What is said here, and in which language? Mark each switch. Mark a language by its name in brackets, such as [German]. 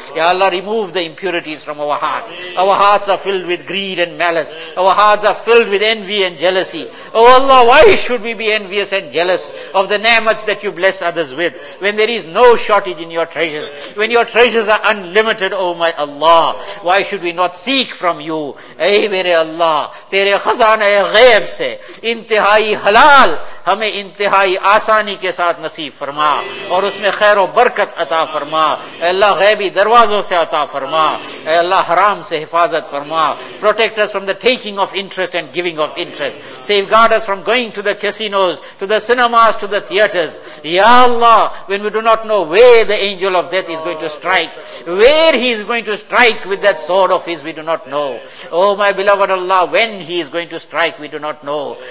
[English] Ya Allah, remove the impurities from our hearts. Our hearts are filled with greed and malice. Our hearts are filled with envy and jealousy. Oh Allah, why should we be envious and jealous of the ni'mats that you bless others with, when there is no shortage in your treasures, when your treasures are unlimited, oh my Allah? Why should we not seek from you? [Urdu] Ey mere Allah, tere khazanay ghayb se intihai halal hame intihai آسانی کے ساتھ نصیب فرما اور اس میں خیر و برکت عطا فرما. اے اللہ, غیبی دروازوں سے عطا فرما. اے اللہ, حرام سے حفاظت فرما. [English] Protect us from the taking of interest and giving of interest. Safeguard us from going to the casinos, to the cinemas, to the theaters. Ya Allah, when we do not know where the angel of death is going to strike, where he is going to strike with that sword of his, we do not know. Oh my beloved Allah, when he is going to strike, we do not know.